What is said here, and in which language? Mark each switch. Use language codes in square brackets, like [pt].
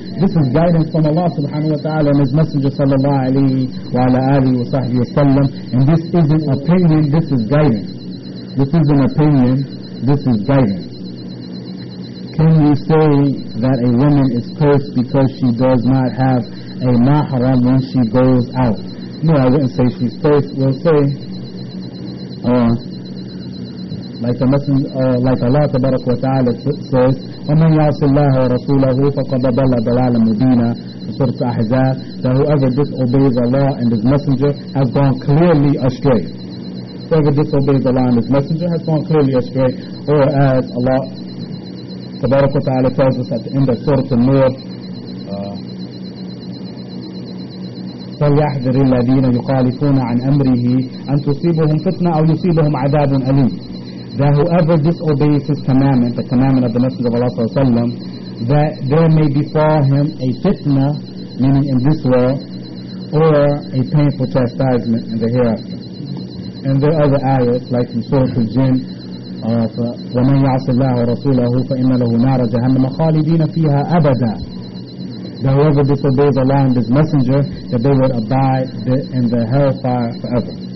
[en] This is guidance from Allah subhanahu wa ta'ala and His Messenger sallallahu alayhi wa ala alihi wa sahbihi wa sallam. And this isn't opinion, this is guidance. This isn't opinion, this is guidance. Can you say that a woman is cursed because she does not have a mahram when she goes out? No, I wouldn't say she's cursed. We'll say, like Allah tabarak wa ta'ala says, [ar] وَمَنْ يَعْصِ اللَّهَ وَرَسُولَهُ فَقَدَ ضَلَّ ضَلَالًا مُبِينًا سُورَةُ أَحْزَابَ. [en] That whoever disobeys Allah and His Messenger has gone clearly astray. Whoever disobeys Allah and His Messenger has gone clearly astray. Or as Allah tabarak wa ta'ala tells us at the end of Surah An-Nur, [ar] فَلْيَحْذِرِ الَّذِينَ يُخَالِفُونَ عَنْ أَمْرِهِ أَنْ تُصِيبُهُمْ فِتْنَةً أَوْ يُصِيبُهُمْ عَذَابٌ أَلِيمٌ. [en] That whoever disobeys his commandment, the commandment of the Messenger of Allah Sallallahu Alaihi Wasallam, that there may befall him a fitna, meaning in this world, or a painful chastisement in the hereafter. And there are other ayahs, like in Surah Al-Jinn, [ar] وَمَنْ يَعْصِ اللَّهَ وَرَسُولَهُ فَإِنَّ لَهُ نَارَ جَهَنَّمَ خَالِدِينَ فِيهَا أَبَدًا. [en] that whoever disobeys Allah and His Messenger, that they would abide in the hellfire forever.